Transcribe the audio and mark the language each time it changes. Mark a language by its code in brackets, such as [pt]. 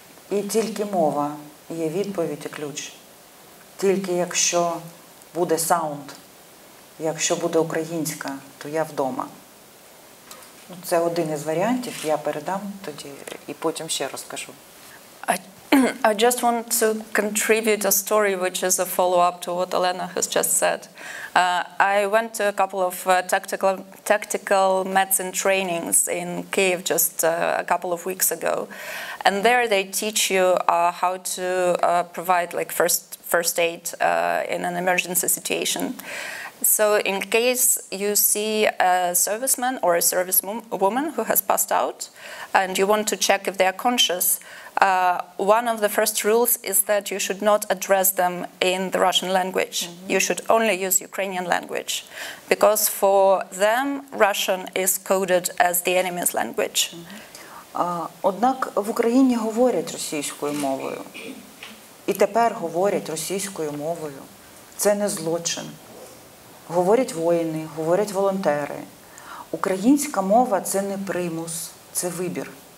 [uk] І тільки мова є відповідь і ключ. Тільки якщо буде саунд, якщо буде українська, то я вдома. Це один із варіантів, я передам тоді і потім ще розкажу. [en] I just want to contribute a story which is a follow-up to what Olena has just said. I went to a couple of tactical medicine trainings in Kyiv just a couple of weeks ago, and there they teach you how to provide like first aid in an emergency situation. So in case you see a serviceman or a servicewoman who has passed out and you want to check if they are conscious, one of the first rules is that you should not address them in the Russian language. Mm-hmm. You should only use Ukrainian language, because for them Russian is coded as the enemy's language. Mm-hmm. [uk] Однак в Україні говорять російською мовою. І тепер говорять російською мовою. Це не злочин. Говорять воїни, говорять волонтери. Українська мова – це не примус, це вибір.